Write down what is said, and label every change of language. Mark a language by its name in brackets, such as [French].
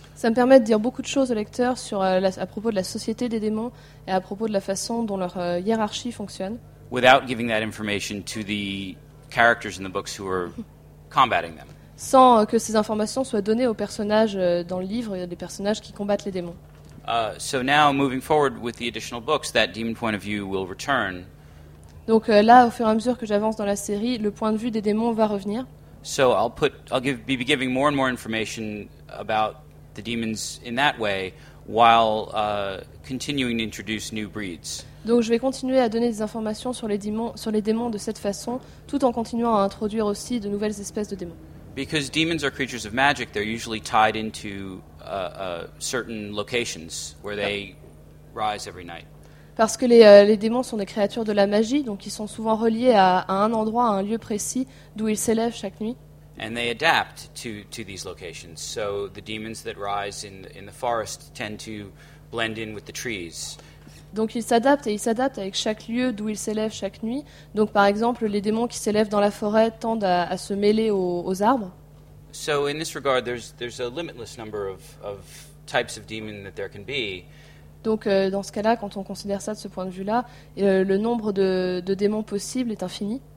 [French] Ça me permet de dire beaucoup de choses au lecteur sur à propos de la société des démons et à propos de la façon dont leur hiérarchie fonctionne. [English] Without giving that information to the characters in the books who are combating them. [French] Sans que ces informations soient données aux personnages dans le livre, des personnages qui combattent les démons. [English] So now moving forward with the additional books, that demon point of view will return. [French] Donc là, au fur et à mesure que j'avance dans la série, le point de vue des démons va revenir. [English] So I'll be giving more and more information about the demons in that way, while continuing to introduce new breeds. [French] Donc je vais continuer à donner des informations sur les démons de cette façon, tout en continuant à introduire aussi de nouvelles espèces de démons. [English] Because demons are creatures of magic, they're usually tied into certain locations where they rise every night. [French] Parce que les démons sont des créatures de la magie, donc ils sont souvent reliés à un endroit, à un lieu précis, d'où ils s'élèvent chaque nuit. [English] And they adapt to these locations. So the demons that rise in the forest tend to blend in with the trees. [French] Donc ils s'adaptent avec chaque lieu d'où ils s'élèvent chaque nuit. Donc par exemple, les démons qui s'élèvent dans la forêt tendent à se mêler aux arbres. [English] So in this regard, there's a limitless number of types of demon that there can be. [French] Donc dans ce cas-là, quand on considère ça de ce point de vue-là, le nombre de démons possibles est infini.